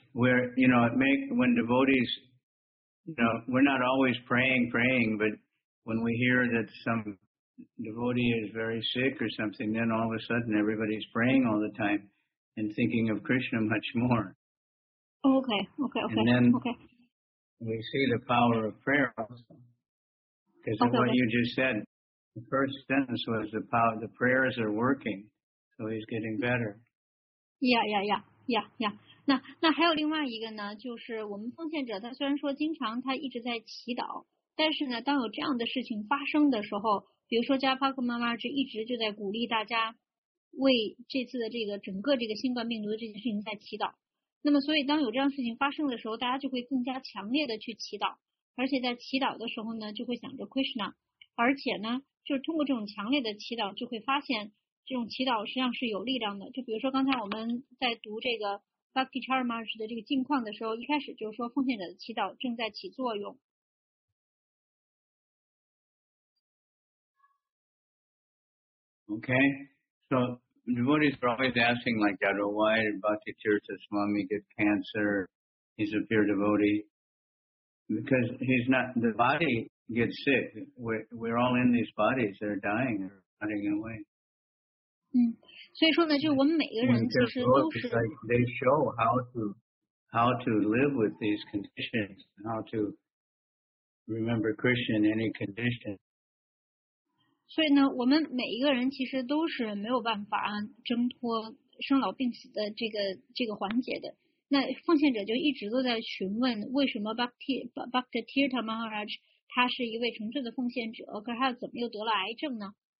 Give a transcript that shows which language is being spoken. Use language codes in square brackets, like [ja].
[en] Where, you know, when devotees, you know, we're not always praying, but when we hear that some devotee is very sick or something, then all of a sudden everybody's praying all the time and thinking of Krishna much more. Okay. And then okay. We see the power of prayer also. Because of what you just said, the first sentence was the prayers are working, so he's getting better. Yeah. [zh] 那还有另外一个呢，就是我们奉献者，他虽然说经常他一直在祈祷，但是呢，当有这样的事情发生的时候，比如说加帕克妈妈就一直就在鼓励大家为这次的这个整个这个新冠病毒的这件事情在祈祷。那么，所以当有这样事情发生的时候，大家就会更加强烈的去祈祷，而且在祈祷的时候呢，就会想着 Krishna， 而且呢，就是通过这种强烈的祈祷，就会发现这种祈祷实际上是有力量的。就比如说刚才我们在读这个Bhakti Chara Maharaj 的这个境况的时候，一开始就是说奉献者的祈祷正在起作用。 [en] Okay, so devotees are always asking like that, oh, why did Bhakti Tirtha Swami get cancer? He's a pure devotee. Because he's not, the body gets sick. We're all in these bodies, they're dying, they're running away. [zh] 所以说呢，就我们每个人其实都是。 [en] Like、they show how to live with these conditions, how to remember Krishna in any condition. [zh] 所以呢，我们每一个人其实都是没有办法挣脱生老病死的这个环节的。那奉献者就一直都在询问，为什么 Bhakti Tirtha Maharaj 他是一位纯粹的奉献者，可是他怎么又得了癌症呢？